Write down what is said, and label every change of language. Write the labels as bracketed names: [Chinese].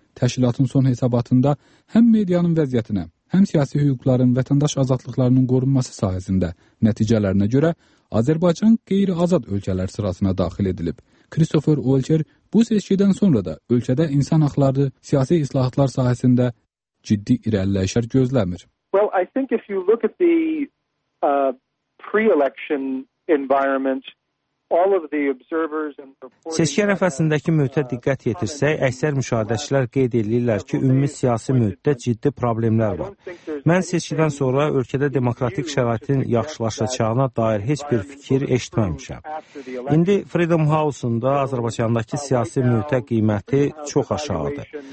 [Azerbaijani] Təşkilatın son hesabatında həm medianın vəziyyətinə, həm siyasi hüquqların, vətəndaş azadlıqlarının qorunması sahəsində nəticələrinə görə Azərbaycan qeyri-azad ölkələr sırasına daxil edilib. Christopher Walker bu seçkidən sonra da ölkədə insan haqları, siyasi islahatlar sahəsində ciddi irəliləyişlər gözləmir. [English] Well, I think if you look at the pre-election environment, all of the observers and reporters. [Azerbaijani] Seçki ərəfəsindəki mühitə diqqət yetirsək, əksər müşahidəçilər qeyd edirlər ki, ümumi siyasi mühitdə ciddi problemlər var. Mən seçkidən sonra ölkədə demokratik şəraitin yaxşılaşacağına dair heç bir fikir eşitməmişəm. İndi Freedom House-un da Azərbaycandakı siyasi mühitə qiyməti çox aşağıdır.